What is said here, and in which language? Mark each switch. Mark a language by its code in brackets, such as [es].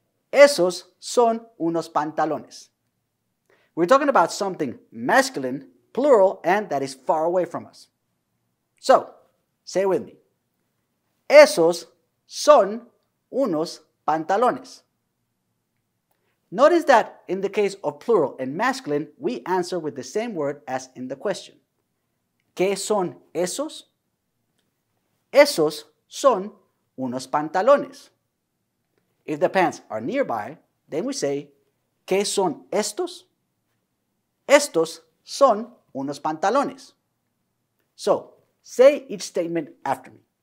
[es] Esos son unos pantalones. [en] We're talking about something masculine, plural, and that is far away from us. So, say it with me. [es] Esos son unos pantalones. [en] Notice that in the case of plural and masculine, we answer with the same word as in the question. [es] ¿Qué son esos? Esos son unos pantalones. [en] If the pants are nearby, then we say, [es] ¿qué son estos? Estos son unos pantalones. [en] So, say each statement after me.